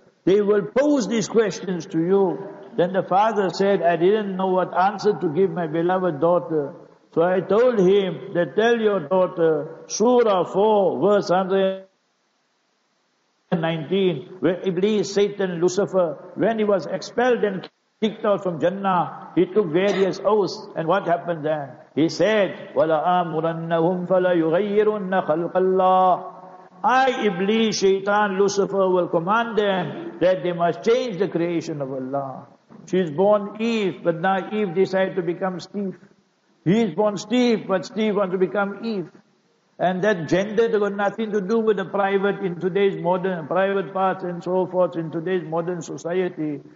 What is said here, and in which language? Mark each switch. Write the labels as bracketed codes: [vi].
[en] They will pose these questions to you. Then the father said, I didn't know what answer to give my beloved daughter. So I told him that tell your daughter, Surah 4, verse 119, where Iblis, Satan, Lucifer, when he was expelled and kicked out from Jannah, he took various oaths. And what happened then? [ar] He said, وَلَآمُرَنَّهُمْ فَلَيُغَيِّرُنَّ خَلْقَ اللَّهِ. [en] I, Iblis, Shaitan, Lucifer, will command them that they must change the creation of Allah. She's born Eve, but now Eve decided to become Steve. He's born Steve, but Steve wants to become Eve. And that gender, they got nothing to do with the private in today's modern, private parts and so forth in today's modern society.